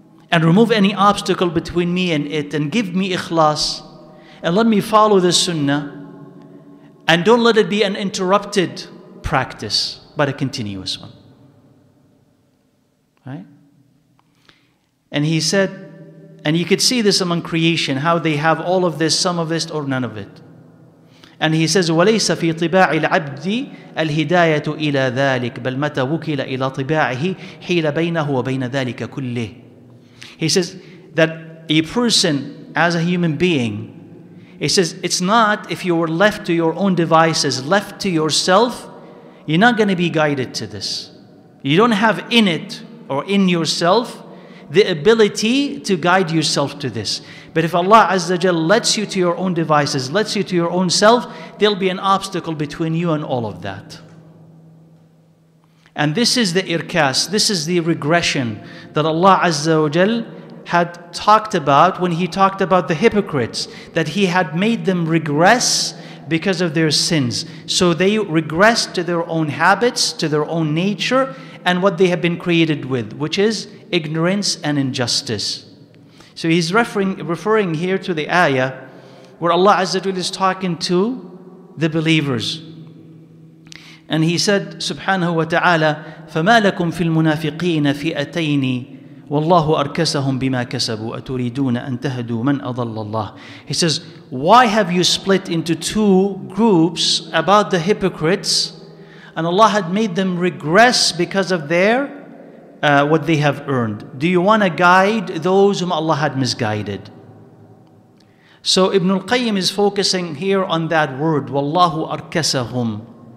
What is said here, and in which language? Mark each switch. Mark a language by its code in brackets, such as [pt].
[en] And remove any obstacle between me and it. And give me ikhlas. And let me follow the sunnah. And don't let it be an interrupted practice, but a continuous one. Right? And he said, and you could see this among creation, how they have all of this, some of this, or none of it. And he says, [ar] وَلَيْسَ فِي طِبَاعِ الْعَبْدِ الْهِدَايَةُ إِلَى ذَلِكَ بَلْ مَتَى وُكِلَ إِلَى طِبَاعِهِ حِيلَ بَيْنَهُ وَبَيْنَ ذَلِكَ كُلِّهِ. [en] He says that a person, as a human being, he says, it's not if you were left to your own devices, left to yourself, you're not going to be guided to this. You don't have in it or in yourself the ability to guide yourself to this. But if Allah Azza Jal lets you to your own devices, lets you to your own self, there'll be an obstacle between you and all of that. And this is the irkas, this is the regression that Allah Azza wa Jal had talked about when he talked about the hypocrites, that he had made them regress because of their sins. So they regressed to their own habits, to their own nature, and what they have been created with, which is ignorance and injustice. So he's referring here to the ayah where Allah Azza wa Jalla is talking to the believers. And he said, subhanahu wa ta'ala, [ar] فَمَا لَكُمْ فِي الْمُنَافِقِينَ فِئَتَيْنِ وَاللَّهُ أَرْكَسَهُمْ بِمَا كَسَبُوا أَتُرِيدُونَ أَن تَهَدُوا مَنْ أَضَلَّ اللَّهُ. [en] He says, why have you split into two groups about the hypocrites? And Allah had made them regress because of their what they have earned. Do you want to guide those whom Allah had misguided? So Ibn al-Qayyim is focusing here on that word, [ar] وَاللَّهُ أَرْكَسَهُمْ.